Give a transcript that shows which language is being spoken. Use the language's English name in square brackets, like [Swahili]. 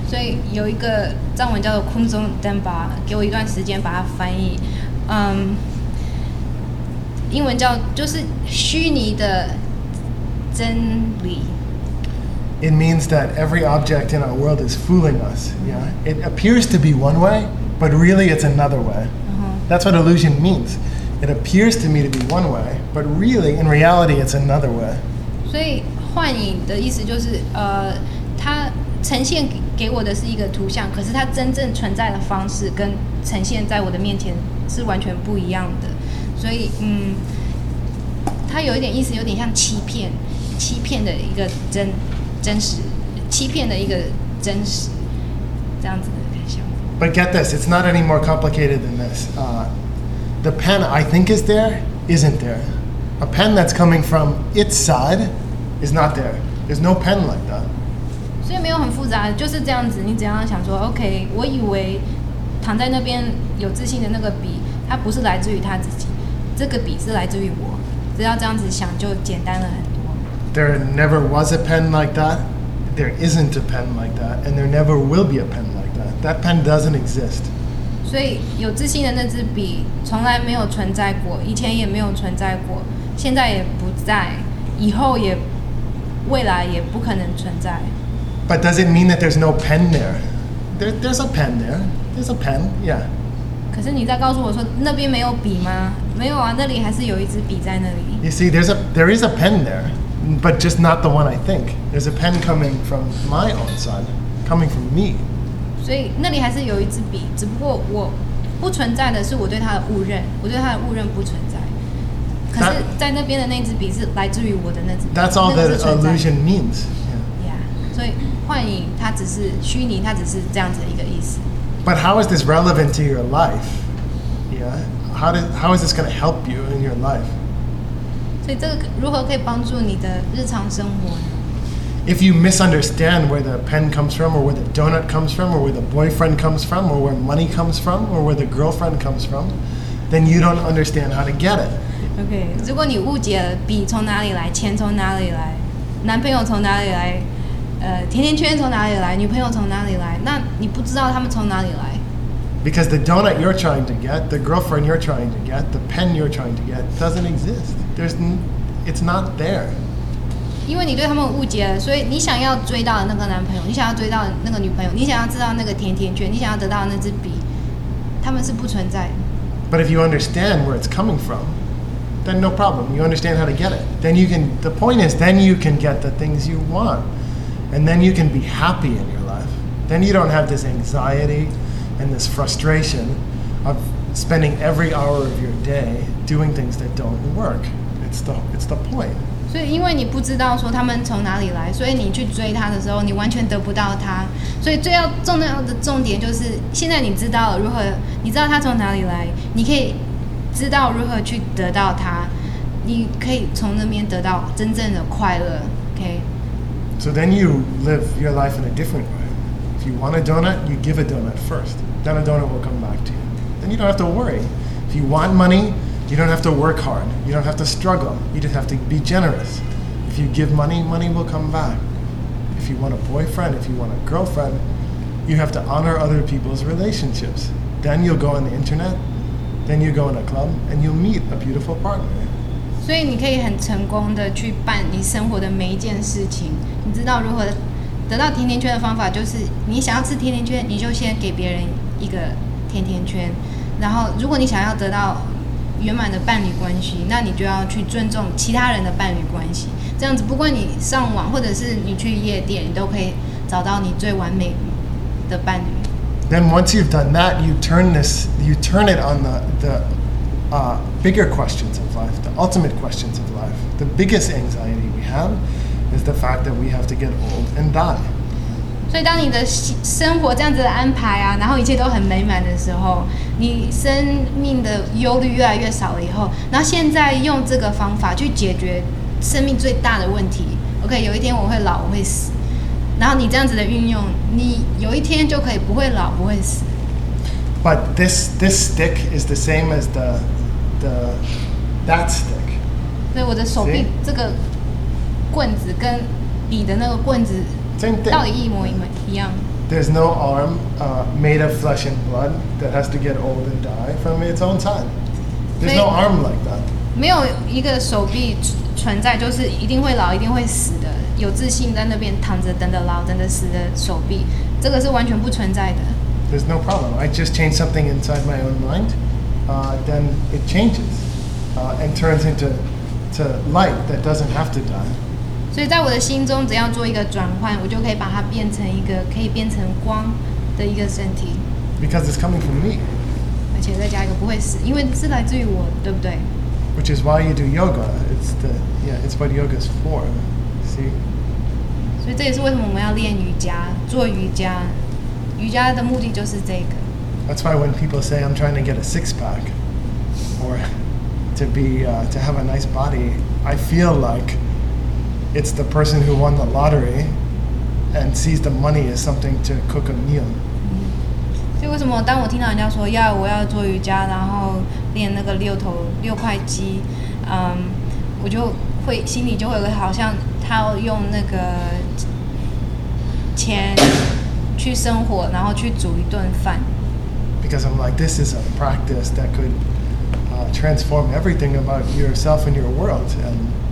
[Chinese] 所以有一个藏文叫做空中丹巴，给我一段时间把它翻译。英文叫就是虚拟的真理。 [English] It means that every object in our world is fooling us. Yeah, it appears to be one way, but really it's another way. That's what illusion means. It appears to me to be one way, but really in reality it's another way. [Chinese] 所以幻影的意思就是它呈现给我的是一个图像，可是它真正存在的方式跟呈现在我的面前是完全不一样的。所以它有一点意思，有点像欺骗的一个真实，欺骗的一个真实，这样子的想法。 [English] But get this, it's not any more complicated than this. The pen I think is there isn't there. A pen that's coming from its side is not there. There's no pen like that. [Chinese] 所以没有很复杂，就是这样子。你只要想说 ，OK， 我以为躺在那边有自信的那个笔，它不是来自于他自己，这个笔是来自于我。只要这样子想，就简单了很多。 [English] There never was a pen like that. There isn't a pen like that, and there never will be a pen like that. That pen doesn't exist. [Chinese] 所以有自信的那支笔从来没有存在过，以前也没有存在过，现在也不在，以后也未来也不可能存在。 [English] But does it mean that there's no pen there? There's a pen there. There's a pen, yeah. [Chinese] 可是你在告诉我说那边没有笔吗？没有啊，那里还是有一支笔在那里。 [English] You see, there is a pen there, but just not the one I think. There's a pen coming from my own side, coming from me. [Chinese] 所以那里还是有一支笔，只不过我不存在的是我对它的误认，我对它的误认不存在。可是在那边的那支笔是来自于我的那支笔。 [English] That's all that illusion means. [Chinese] 所以幻影它只是虚拟，它只是这样子的一个意思。 [English] But how is this relevant to your life? Yeah, how is this going to help you in your life? [Chinese] 所以这个如何可以帮助你的日常生活呢？ [English] If you misunderstand where the pen comes from, or where the donut comes from, or where the boyfriend comes from, or where money comes from, or where the girlfriend comes from, then you don't understand how to get it. OK， [Chinese] 如果你误解了笔从哪里来，钱从哪里来，男朋友从哪里来，甜甜圈从哪里来，女朋友从哪里来，那你不知道他们从哪里来。 [English] Because the donut you're trying to get, the girlfriend you're trying to get, the pen you're trying to get doesn't exist. It's not there. [Chinese] 因为你对他们误解了，所以你想要追到那个男朋友，你想要追到那个女朋友，你想要知道那个甜甜圈，你想要得到那支笔，他们是不存在的。 [English] But if you understand where it's coming from, then no problem. You understand how to get it. Then you can, the point is, then you can get the things you want. And then you can be happy in your life. Then you don't have this anxiety. And this frustration of spending every hour of your day doing things that don't work—it's the point. [Chinese] 所以，因为你不知道说他们从哪里来，所以你去追他的时候，你完全得不到他。所以，最要重要的重点就是，现在你知道了如何，你知道他从哪里来，你可以知道如何去得到他，你可以从那边得到真正的快乐。 [English] Okay. So then you live your life in a different way. If you want a donut, you give a donut first. Then a donut will come back to you. Then you don't have to worry. If you want money, you don't have to work hard. You don't have to struggle. You just have to be generous. If you give money, money will come back. If you want a boyfriend, if you want a girlfriend, you have to honor other people's relationships. Then you'll go on the internet, then you go in a club, and you'll meet a beautiful partner. So you can very successfully complete your life's every thing. You know how to. [Chinese] 得到甜甜圈的方法就是，你想要吃甜甜圈，你就先给别人一个甜甜圈。然后，如果你想要得到圆满的伴侣关系，那你就要去尊重其他人的伴侣关系。这样子，不管你上网或者是你去夜店，你都可以找到你最完美的伴侣。 [English] Then once you've done that, you turn it on the bigger questions of life, the ultimate questions of life, the biggest anxiety we have. Is the fact that we have to get old and die. So, when your [Chinese] 生活这样子的安排啊，然后一切都很美满的时候，你生命的忧虑越来越少了以后，然后现在用这个方法去解决生命最大的问题。 OK， 有一天我会老，我会死。然后你这样子的运用，你有一天就可以不会老，不会死。 [English] But this stick is the same as that stick. [Chinese] 对，我的手臂这个。棍子跟你的那个棍子到底一模一样。 [English] There's no arm, made of flesh and blood that has to get old and die from its own time. There's no arm like that. [Chinese] 没有一个手臂存在就是一定会老、一定会死的，有自信在那边躺着等着老、等着死的手臂，这个是完全不存在的。 [English] There's no problem. I just change something inside my own mind, then it changes, and turns into light that doesn't have to die. [Chinese] 所以在我的心中，只要做一个转换，我就可以把它变成一个可以变成光的一个身体。 [English] Because it's coming from me. [Chinese] 而且再加一个不会死，因为是来自于我，对不对 [English] ？Which is why you do yoga. It's what yoga is for. See. [Chinese] 所以这也是为什么我们要练瑜伽，做瑜伽。瑜伽的目的就是这个。 [English] That's why when people say I'm trying to get a six pack, or to be to have a nice body, I feel like. It's the person who won the lottery and sees the money as something to cook a meal. [Chinese] 所以为什么当我听到人家说要我要做瑜伽，然后练那个六头六块肌，我就会心里就会有个好像他要用那个钱去生活，然后去煮一顿饭。 [English] Because I'm like, this is a practice that could transform everything about yourself and your world and.